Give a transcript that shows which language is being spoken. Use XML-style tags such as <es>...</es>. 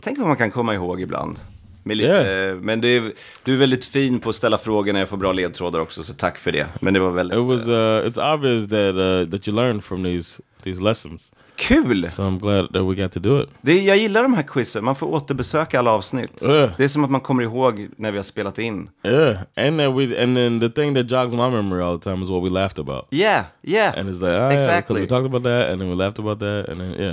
<sv>Tänk vad man kan komma ihåg ibland. Med lite, men du är väldigt fin på att ställa frågor när jag får bra ledtrådar också, så tack för det. Men det var väldigt</sv> <en>It's obvious that you learned from these lessons.</en> <sv>Kul.</sv> <en>So I'm glad that we got to do it.</en> <sv>Jag gillar de här quizzen. Man får återbesöka alla avsnitt. Det är som att man kommer ihåg när vi har spelat in.</sv> <en>Yeah. And then the thing that jogs my memory all the time is what we laughed about. Yeah. Yeah. And it's like, exactly. We talked about that and then we laughed about that and then yeah.</en>